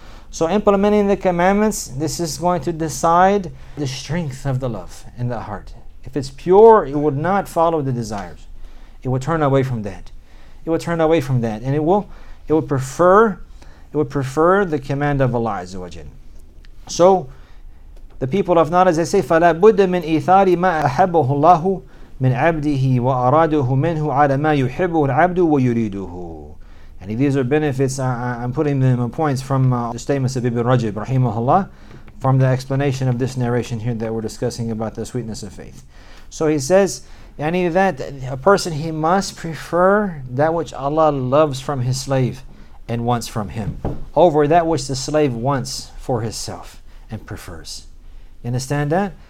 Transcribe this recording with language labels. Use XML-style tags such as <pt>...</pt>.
<en>So implementing the commandments, this is going to decide the strength of the love in the heart. If it's pure, it would not follow the desires. It will turn away from that. It will turn away from that, and it will prefer the command of Allah Azza wa Jal. So the people of Nar, as they say,</en> <ar>فَلَا بُدَّ مِنْ إِثَارِ مَا أَحَبَّهُ اللَّهُ مِنْ عَبْدِهِ وَأَرَادُهُ مِنْهُ عَلَى مَا يُحِبُّهُ الْعَبْدُ وَيُرِيدُهُ.</ar> <en>And these are benefits, I'm putting them in points from the statements of Ibn Rajab, rahimahullah, from the explanation of this narration here that we're discussing about the sweetness of faith. So he says, yani that a person, he must prefer that which Allah loves from his slave and wants from him over that which the slave wants for himself and prefers. You understand that?</en>